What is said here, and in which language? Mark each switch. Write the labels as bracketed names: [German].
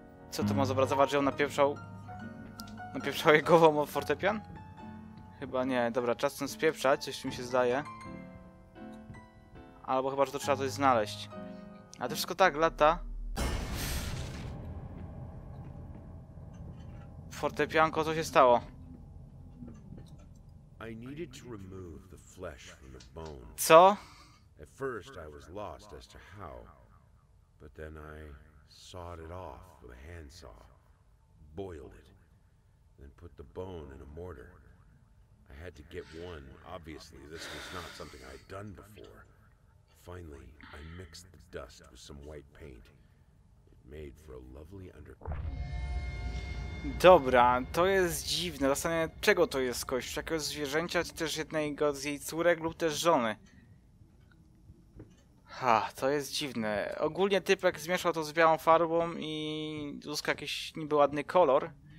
[Polish] Co to ma zobrazować, że on napieprzał jej głową o fortepian? Chyba nie. Dobra, czas ten spieprzać, jeśli mi się zdaje. Albo chyba, że to trzeba coś znaleźć. A to wszystko tak, lata. Fortepianko, co się stało? [English] I needed to remove the flesh from the bone. [Polish] Co? [English] At first I was lost as to how. But then I sawed it off with a handsaw. Boiled it. Then put the bone in a mortar. I had to get one. Obviously, this was not something I'd done before. Finally, I mixed the dust with some white paint. It made for a lovely under. [Polish] Dobra, to jest dziwne. Zastanawiam się, czego to jest kość? Jakiegoś zwierzęcia, czy też jednego z jej córek lub też żony? Ha, to jest dziwne. Ogólnie typek zmieszał to z białą farbą i uzyskał jakiś niby ładny kolor.